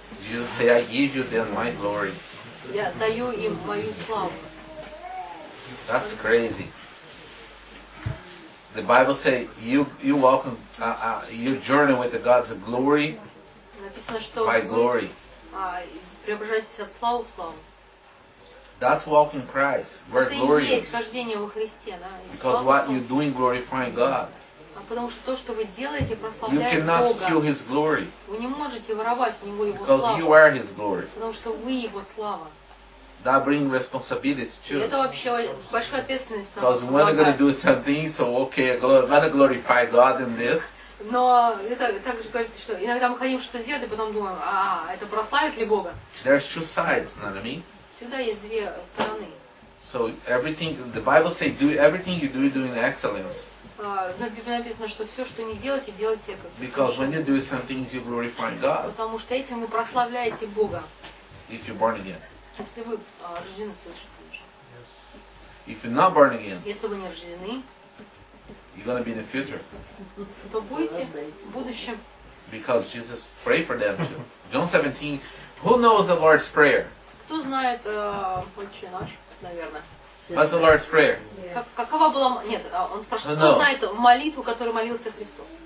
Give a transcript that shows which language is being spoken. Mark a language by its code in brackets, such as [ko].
[en] Jesus say, I give you then my glory. [ru] Я даю им мою славу. [en] That's crazy. The Bible say you welcome you journey with the God's glory. [ru] Написано, что [en] by glory. [ru] Преображайтесь от славы славы. [en] That's walking Christ. Where glory is. [ru] Это и есть хождение во Христе, да? [en] Because what you doing glorifying God. [ru] А потому что то, что вы делаете, прославляет Бога. [en] You cannot steal His glory. [ru] Вы не можете воровать у него его славу. [en] Because you are His glory. [ru] Потому что вы его слава. [en] That brings responsibility too. [ru] Это вообще большая ответственность. [en] Because when I'm gonna do something, so okay, I'm gonna glorify God in this. [ru] Но это также говорит, что иногда мы хотим что-то сделать, и потом думаем, а это прославит ли Бога? [en] There's two sides, you know what I mean? [ru] Всегда есть две стороны. [en] So everything the Bible says, do everything you do in excellence. [ru] На Библии написано, что все, что не делаете, делайте как. [en] Because when you do some things, you glorify God. [ru] Потому что этим вы прославляете Бога. [en] If you're born again. [ru] Если вы рождены свыше, то уже. Если вы не рождены, [en] you're gonna be in the future. [ru] То будете в будущем. [en] Because Jesus prayed for them too. John 17. Who knows the Lord's prayer? [ru] Кто знает Отче наш, наверное? [en] What's the Lord's Prayer? [ru] Какова была... Нет, он спрашивает, кто знает молитву, которую молился Христос?